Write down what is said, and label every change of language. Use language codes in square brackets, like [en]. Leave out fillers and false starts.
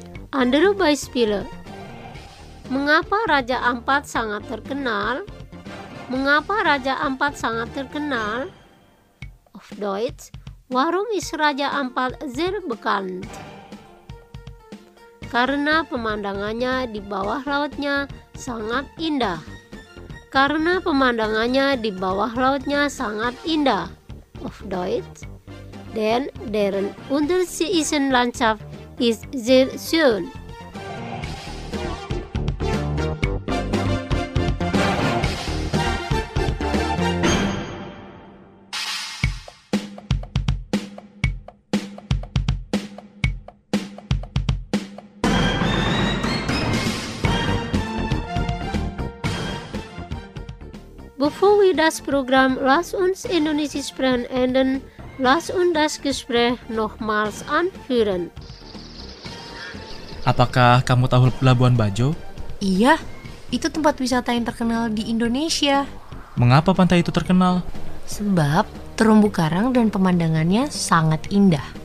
[de] Andere Beispiele. [id] Mengapa Raja Ampat sangat terkenal? [de] Auf Deutsch. Warum ist Raja Ampat sehr bekannt? [id] Karena pemandangannya di bawah lautnya sangat indah. [de] Auf Deutsch. Denn deren Unterseeischen Landschaft ist sehr schön. Bevor wir das Programm Lass uns Indonesisch sprechen enden, lass uns das Gespräch nochmals anführen. [id] Apakah kamu tahu Labuan Bajo? Iya, itu tempat wisata yang terkenal di Indonesia. Mengapa pantai itu terkenal? Sebab terumbu karang dan pemandangannya sangat indah.